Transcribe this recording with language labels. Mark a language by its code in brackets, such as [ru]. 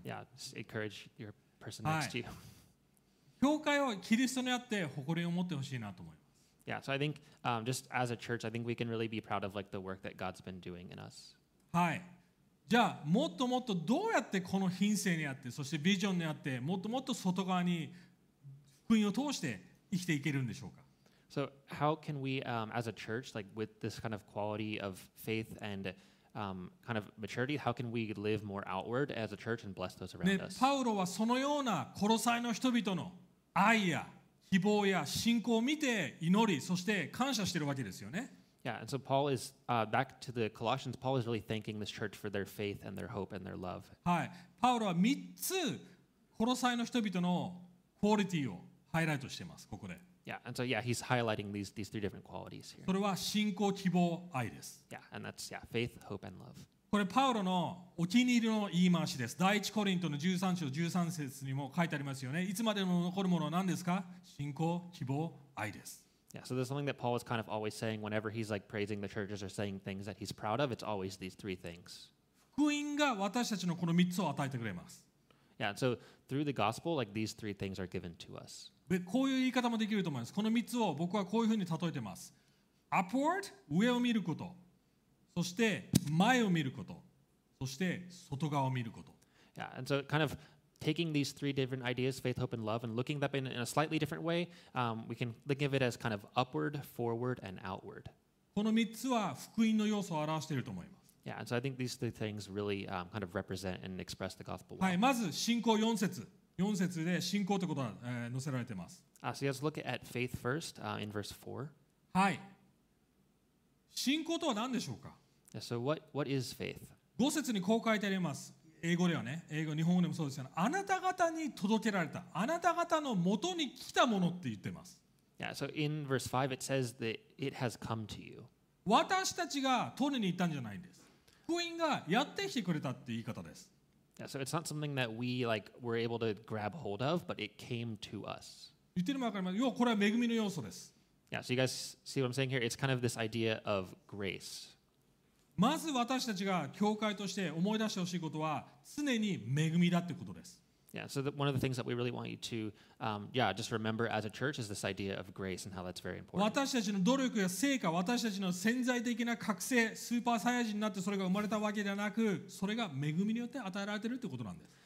[en] Yeah, just encourage your person next to you. [ja] 教会をキリストにあって誇りを持ってほしいなと思います。 [en] Yeah, so I think just as a church, I think we can really be proud of like the work that God's been doing in us. [ja] はい。じゃあもっともっとどうやってこの品性にあって、そしてビジョンにあって、もっともっと外側に福音を通して生きていけるんでしょうか。 [en] So how can we, as a church, like with this kind of quality of faith and kind of maturity, how can we live more outward as a church and bless those around us? [ja] ね、パウロはそのようなコロサイの人々の愛や希望や信仰を見て祈り、そして感謝しているわけですよね。 [en] Yeah, and so Paul is back to the Colossians. Paul is really thanking this church for their faith and their hope and their love. [ja] はい、パウロは三つコロサイの人々のクオリティをハイライトしていますここで。 [en] Yeah, and so yeah, he's highlighting these three different qualities here. [ja] それは信仰、希望、愛です。 [en] Yeah, and that's faith, hope, and love. [ja] これパウロのお気に入りの言い回しです。第一コリントの13章13節にも書いてありますよね。いつまでも残るものは何ですか？信仰、希望、愛です。 [en] Yeah, so there's something that Paul is kind of always saying whenever he's like praising the churches or saying things that he's proud of. It's always these three things. [ja] 福音が私たちのこの3つを与えてくれます。 [en] Yeah, so through the gospel, like these three things are given to us. [ja] で、こういう言い方もできると思います。この3つを僕はこういうふうに例えてます。 Upward、上を見ること。そして前を見ること、そして外側を見ること。 [en] Yeah, and so kind of taking these three different ideas, faith, hope, and love, and looking them in a slightly different way, we can think of it as kind of upward, forward, and outward. [ja] この3つは福音の要素を表していると思います。 [en] Yeah, and so I think these three things really kind of represent and express the gospel. [ja] はい、まず信仰4節。 4節で信仰ってことが載せられています。 [en] So let's look at faith first, in verse 4. [ja] はい。信仰とは何でしょうか？ [en] Yeah, so what is faith? [ja] 5節にこう書いてあります。英語ではね、英語、日本語でもそうですよね。あなた方に届けられた、あなた方の元に来たものって言ってます。 [en] Yeah, so in verse 5 it says that it has come to you. [ja] 私たちが取りに行ったんじゃないんです。福音がやってきてくれたって言い方です。 [en] Yeah, so it's not something that we like were able to grab hold of, but it came to us. [ja] 言ってるのも分かります。要はこれは恵みの要素です。 [en] Yeah, so you guys see what I'm saying here? It's kind of this idea of grace. [ja] まず私たちが教会として思い出してほしいことは常に恵みだってことです。 [en] Yeah, so one of the things that we really want you to, just remember as a church is this idea of grace and how that's very important. [ja] 私たちの努力や成果、私たちの潜在的な覚醒、スーパーサイヤ人になってそれが生まれたわけではなく、それが恵みによって与えられているってことなんです。